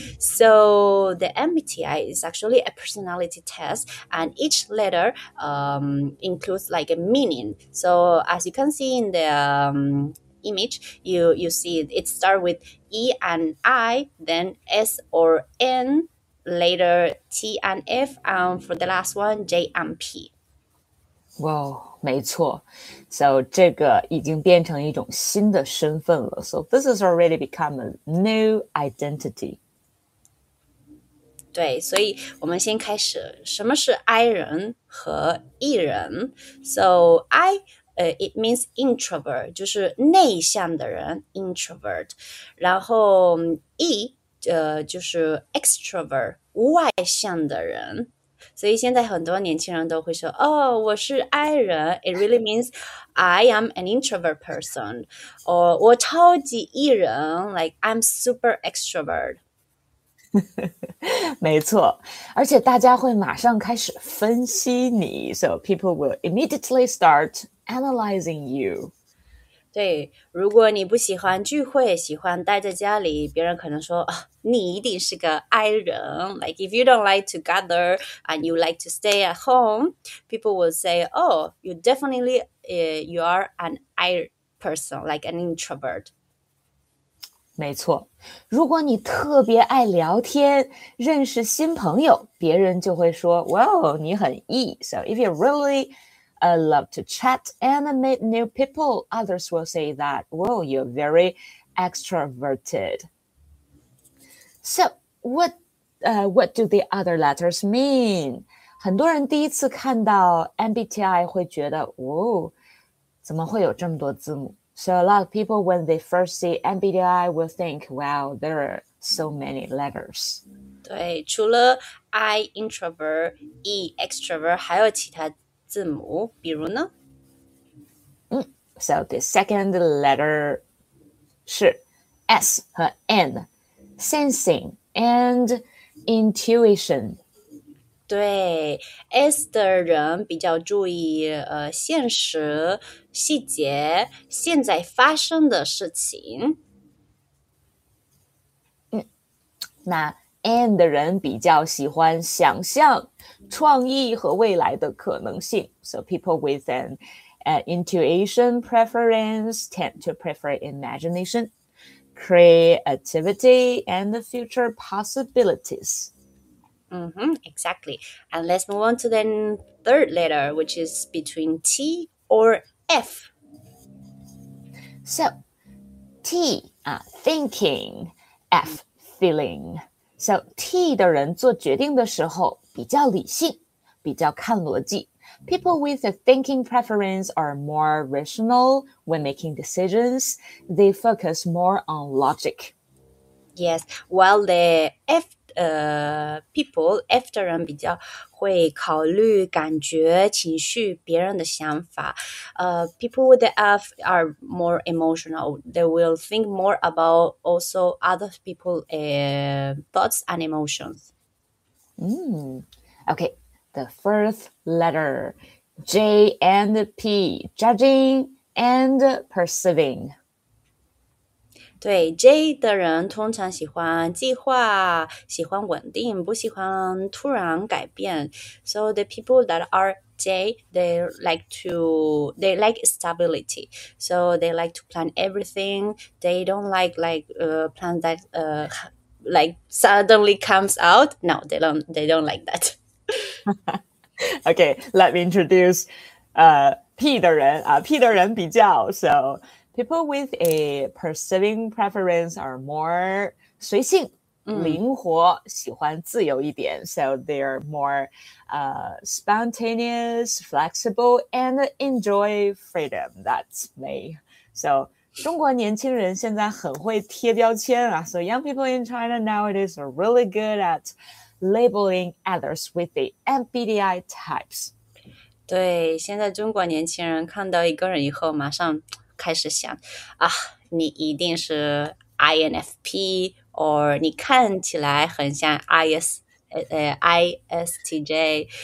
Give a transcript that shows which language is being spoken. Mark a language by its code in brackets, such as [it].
[en] So the MBTI is actually a personality test, and each letter includes like a meaning. So as you can see in the image, you see it starts with E and I, then S or N,later T and F, for the last one, J and P. [zh] Wow, 没错。 So, 这个已经变成一种新的身份了。 [en] So, this has already become a new identity. [zh] 对，所以我们先开始。什么是 I 人和 E 人? [en] So, I,it means introvert, [zh] 就是内向的人 [en] introvert. [zh] 然后 E,就是 extrovert, 外向的人。所以现在很多年轻人都会说哦、 [en] oh, [zh] 我是 I 人 [en] it really means I am an introvert person, or [zh] 我超级 E 人 [en] like I'm super extrovert. [zh] 没错，而且大家会马上开始分析你， [en] so people will immediately start analyzing you. [zh] 对，如果你不喜欢聚会，喜欢待在家里，别人可能说、啊、你一定是个 I 人。 [en] Like if you don't like to gather and you like to stay at home, people will say, "Oh, you definitely you are an I person, like an introvert." [zh] 没错，如果你特别爱聊天，认识新朋友，别人就会说 ，Well, 你很 E. [en] So if you really I love to chat and meet new people. Others will say that, whoa, you're very extroverted. So, what do the other letters mean? [zh] 很多人第一次看到 MBTI 会觉得，whoa, 怎么会有这么多字母? [en] So a lot of people, when they first see MBTI, will think, wow, there are so many letters. [zh] 对，除了 I introvert, E extrovert, 还有其他字母，比如呢？ [en] So the second letter 是 S 和 N, sensing and intuition. [zh] 对 ，S 的人比较注意现实细节，现在发生的事情。那 N 的人比较喜欢想象。创意和未来的可能性。 [en] So people with an intuition preference tend to prefer imagination, creativity, and the future possibilities. Mm-hmm, exactly. And let's move on to the third letter, which is between T or F. So T, thinking, F, feeling. [zh] So T 的人做决定的时候比较理性，比较看逻辑。 [en] People with a thinking preference are more rational when making decisions. They focus more on logic. Yes, while the F people, [zh] F 的人比较会考虑感觉、情绪、别人的想法。 [en] People with the F are more emotional. They will think more about also other people's thoughts and emotions. Okay, the first letter, J and P, judging and perceiving. [zh] 对 J 的人通常喜欢计划，喜欢稳定，不喜欢突然改变。 [en] So the people that are J, they like stability. So they like to plan everything. They don't like plan that like suddenly comes out. No, they don't like that. Okay, let me introduce [zh] P 的人啊、P 的人比较 [en] so. People with a perceiving preference are more [zh] 随性、灵活，喜欢自由一点。 [en] So they are more spontaneous, flexible, and enjoy freedom. That's me. [zh] So 中国年轻人现在很会贴标签啊。 [en] So young people in China nowadays are really good at labeling others with the MBTI types. [zh] 对，现在中国年轻人看到一个人以后马上开始想啊，你一定是 INFP， or 你看起来很像 ISTJ.